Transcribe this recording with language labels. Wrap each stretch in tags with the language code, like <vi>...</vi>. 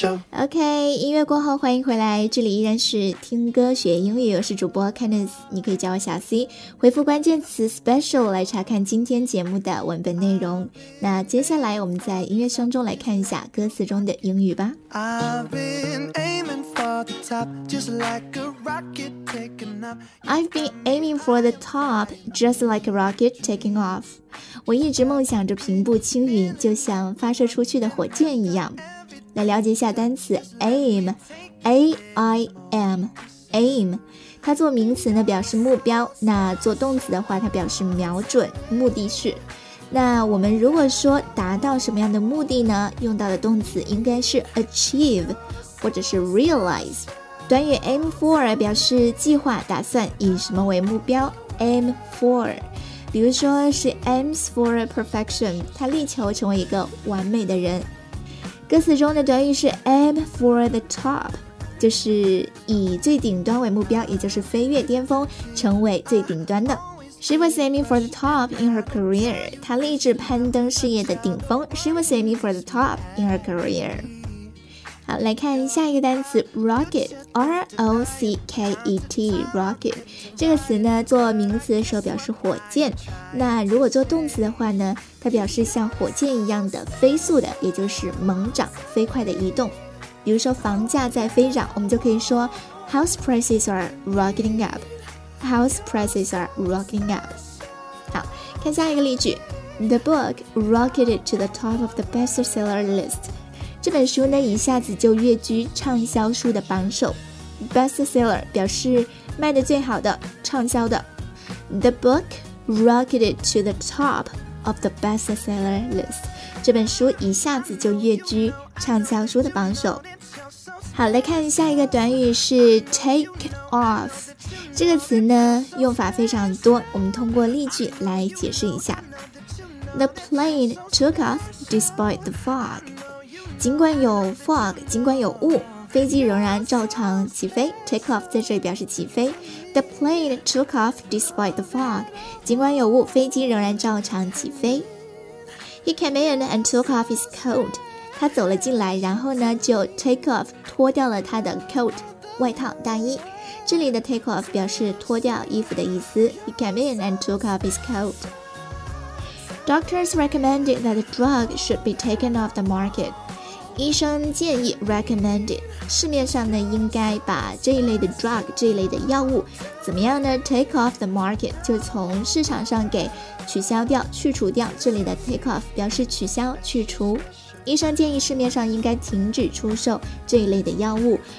<zh>OK， 音乐过后欢迎回来，这里依然是听歌学英语，我是主播 Candice， 你可以叫我小 C。回复关键词 special 来查看今天节目的文本内容。那接下来我们在音乐声中来看一下歌词中的英语吧。</zh> <en>I've been aiming for the top just like a rocket taking off. I've been aiming for the top just like a rocket taking off.</en> <zh>我一直梦想着平步青云，就像发射出去的火箭一样。来了解一下单词 aim， 它做名词呢表示目标，那做动词的话它表示瞄准，目的是。那我们如果说达到什么样的目的呢，用到的动词应该是 achieve，或者是 realize。短语 aim for 表示计划打算以什么为目标， aim for。比如说</zh> <en>she aims for perfection，</en> <zh>她力求成为一个完美的人。歌词中的短语是 aim for the top，就是以最顶端为目标，也就是飞跃巅峰，成为最顶端的。</zh> <en>She was aiming for the top in her career，</en> <zh>她立志攀登事业的顶峰。</zh> <en>She was aiming for the top in her career。</en> <zh>好，来看下一个单词 Rocket， R-O-C-K-E-T， Rocket 这个词呢，做名词的时候表示火箭，那如果做动词的话呢，它表示像火箭一样的飞速的，也就是猛涨，飞快的移动。比如说房价在飞涨，我们就可以说</zh> <en>House prices are rocketing up， House prices are rocketing up。</en> <zh>好，看下一个例句，</zh> <en>The book rocketed to the top of the bestseller list，</en> <zh>这本书呢一下子就跃居畅销书的榜首。 Bestseller 表示卖的最好的，畅销的。</zh> <en>The book rocketed to the top of the bestseller list，</en> <zh>这本书一下子就跃居畅销书的榜首。好，来看下一个短语是 take off， 这个词呢用法非常多，我们通过例句来解释一下。</zh> <en>The plane took off despite the fog，</en> <zh>尽管有 fog， 尽管有雾，飞机仍然照常起飞。 take off 在这里表示起飞。 The plane took off despite the fog， 尽管有雾，飞机仍然照常起飞。</zh> <en>He came in and took off his coat，</en> <zh>他走了进来，然后呢就 take off， 脱掉了他的 coat， 外套大衣。这里的 take off 表示脱掉衣服的意思。</zh> <en>He came in and took off his coat。 Doctors recommended that the drug should be taken off the market，</en> <zh>医生建议 recommended， 市面上呢应该把这一类的 drug， 这一类的药物怎么样呢？ take off the market， 就从市场上给取消掉，去除掉。这里的 take off 表示取消，去除。医生建议市面上应该停止出售这一类的药物。</zh>